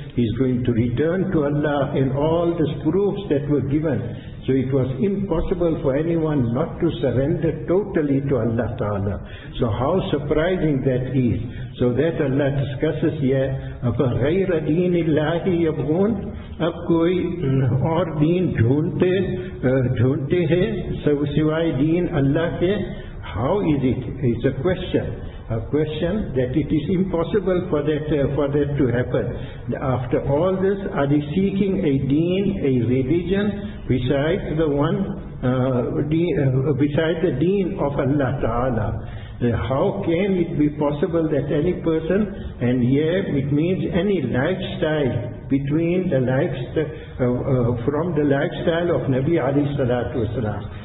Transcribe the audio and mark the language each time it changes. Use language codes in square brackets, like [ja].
[en] He's going to return to Allah and all the proofs that were given. So it was impossible for anyone not to surrender totally to Allah Ta'ala. So how surprising that is. So that Allah discusses here, [ar] أَفَغَيْرَ دِينِ اللَّهِ يَبْغُونَ. [ur] اب کوئی اور دین ڈھونڈتے ہیں سوائے دین اللہ کے. [en] How is it? It's a question. A question that it is impossible for that to happen. After all this, are they seeking a deen, a religion, besides the one, besides the deen of Allah Ta'ala? How can it be possible that any person, and here it means any lifestyle, between the lifestyle, from the lifestyle of Nabi alayhi salatu wasalam.